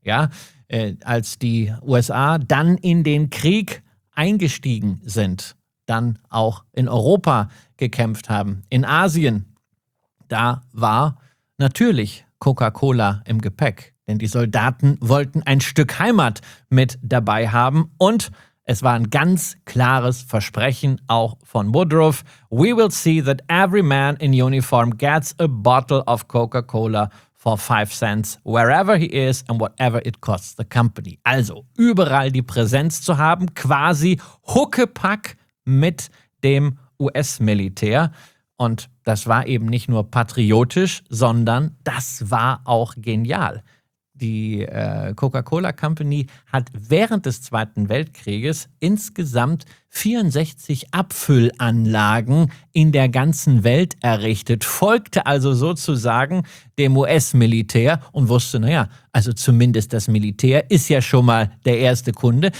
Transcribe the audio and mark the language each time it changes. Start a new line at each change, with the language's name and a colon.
German: Ja, als die USA dann in den Krieg eingestiegen sind, dann auch in Europa gekämpft haben, in Asien, da war natürlich Coca-Cola im Gepäck. Denn die Soldaten wollten ein Stück Heimat mit dabei haben. Und es war ein ganz klares Versprechen auch von Woodruff.
English: We will see that every man in uniform gets a bottle of Coca-Cola for 5 cents, wherever he is and whatever it costs the company.
German: Also überall die Präsenz zu haben, quasi Huckepack mit dem US-Militär. Und das war eben nicht nur patriotisch, sondern das war auch genial. Die Coca-Cola Company hat während des Zweiten Weltkrieges insgesamt 64 Abfüllanlagen in der ganzen Welt errichtet, folgte also sozusagen dem US-Militär und wusste, naja, also zumindest das Militär ist ja schon mal der erste Kunde.